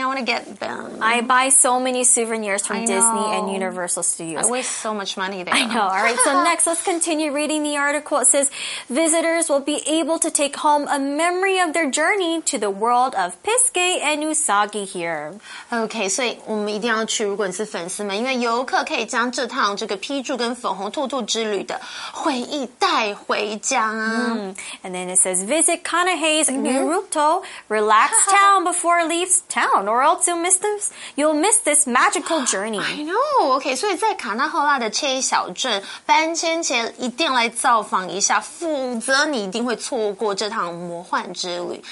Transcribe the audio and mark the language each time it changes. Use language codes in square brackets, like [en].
[en] I want to get them. I buy so many souvenirs from Disney and Universal Studios. I waste so much money there. I know. All right, so next, let's continue reading the article. It says, visitors will be able to take home a memory of their journey to the world of Pisgay and Usagi here. [zh] Okay, 所以我们一定要去，如果你是粉丝们，因为游客可以将这趟这个批注跟粉红兔兔之旅的回忆带回家、啊。 Mm. [en] And then it says, visit Kanahe's Naruto relaxed town before it leaves town, or else you'll miss this magical journey. I know. [zh] Okay, 所以在卡纳赫拉的切伊小镇搬迁前一定来造访一下，否则你一定会错过这趟魔幻之旅。